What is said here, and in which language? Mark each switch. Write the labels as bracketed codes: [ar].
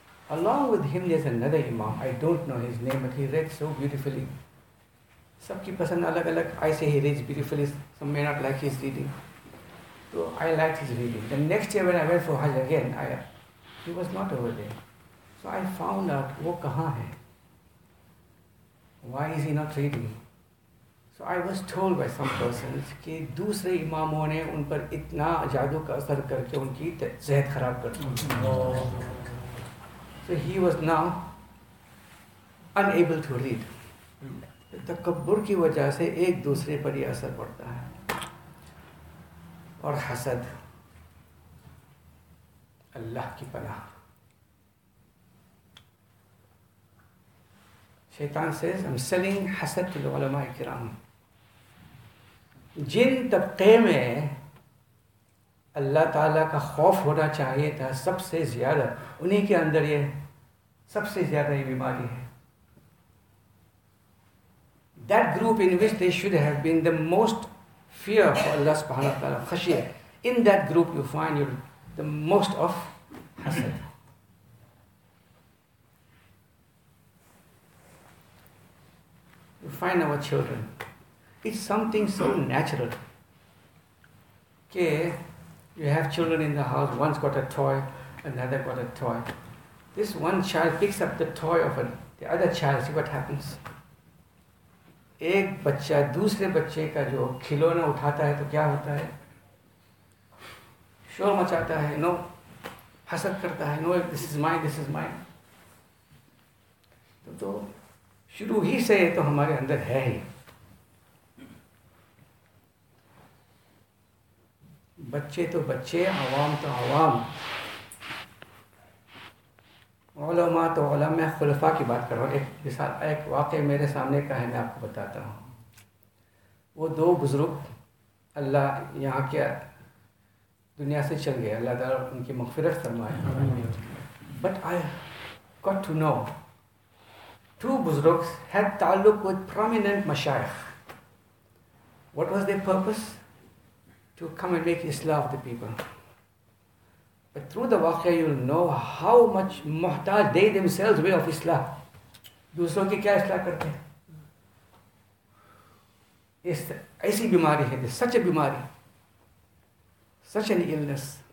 [en] Along with him, there's another Imam. I don't know his name, but he read so beautifully. [hi] Sabki pasand alag alag. [en] I say he reads beautifully. Some may not like his reading. So I liked his reading. The next year, when I went for Hajj again, he was not over there. So I found out, [hi] wo kahan hai. [en] why is he not reading? So I was told by some persons [hi] कि दूसरे इमामों ने उन पर इतना जादू का असर करके उनकी सेहत खराब कर दी. [en] So he was now unable to read. [hi] तकबर की वजह से एक दूसरे पर ये असर पड़ता है और हसद अल्लाह की पनाह. [en] शैतान says, I'm selling hasad to the ulama-e kiram. [hi] जिन तबके में अल्लाह ताला का खौफ होना चाहिए था सबसे ज्यादा, उन्हीं के अंदर ये सबसे ज्यादा ये बीमारी है. [en] That group in which they should have been the most fear for Allah subhanahu wa ta'ala, khashiyah, in that group you find your the most of hasad. You find our children. It's something so natural. Okay, you have children in the house, one's got a toy, another got a toy. This one child picks up the toy of the other child, see what happens. [hi] एक बच्चा दूसरे बच्चे का जो खिलौना उठाता है तो क्या होता है, शोर मचाता है, नो हसद करता है, [en] No this is mine, this is mine. [hi] तो शुरू ही से तो हमारे अंदर है ही. बच्चे तो बच्चे, आवाम तो आवाम, उलमा तो उलमा. मैं खुलफा की बात कर रहा हूँ. एक मिसाल, एक वाक़ मेरे सामने का है, मैं आपको बताता हूँ. वो दो बुज़ुर्ग अल्लाह यहाँ के दुनिया से चल गए, अल्लाह ताला उनकी मगफिरत फरमाए. [en] But I got to know two बुज़ुर्ग had ताल्लुक with prominent मशायख. What was their purpose? To come and make इस्लाह of the people. But through the waqiyah, you'll know how much muhtaj they themselves were of islah. [hi] Dusron ki kya islah karte hain? Aisi bimari hai, [en] such a bimari, such an illness.